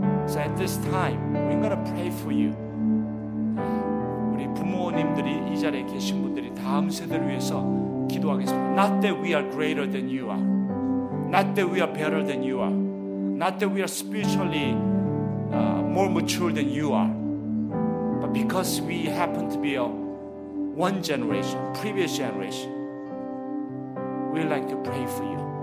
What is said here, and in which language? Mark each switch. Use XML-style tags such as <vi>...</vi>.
<en>So at this time, we're going to pray for you.</en> <ko>우리 부모님들이 이 자리에 계신 분들이 다음 세대를 위해서 기도하겠습니다.</ko> <en>Not that we are greater than you are. Not that we are better than you are. Not that we are spiritually more mature than you are. But because we happen to be a one generation, previous generation, we like to pray for you.</en>